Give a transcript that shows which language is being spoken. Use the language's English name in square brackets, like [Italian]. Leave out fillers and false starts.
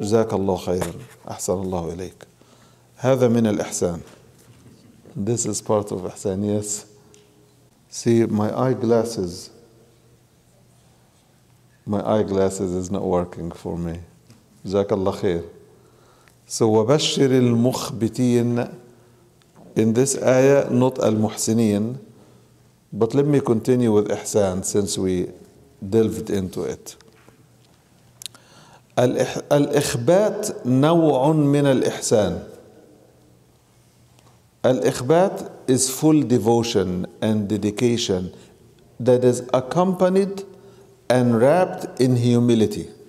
[Arabic] Jazakallahu khairan. Ahsanallahu ilayk. Hatha min al-ihsan. [English] This is part of ihsan, yes. See, my eyeglasses is not working for me. [Arabic] Jazakallahu khair. So, وبشر المخبتين. [English] In this ayah, not al-muhsineen. But let me continue with ihsan since we delved into it. [Arabic] الإخبات نوع من الإحسان. [English] الإخبات is full devotion and dedication that is accompanied and wrapped in humility.